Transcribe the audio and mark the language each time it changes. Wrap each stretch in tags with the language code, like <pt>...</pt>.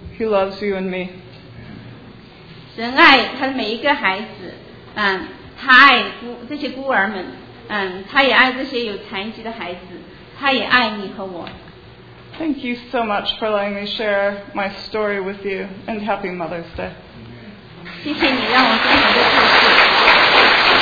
<en>He loves you and me.</en> <zh>神爱他每一个孩子，他爱这些孤儿们，他也爱这些有残疾的孩子，他也爱你和我。</zh> <en>Thank you so much for letting me share my story with you, and happy Mother's Day.</en> <zh>谢谢你让我分享的故事。</zh>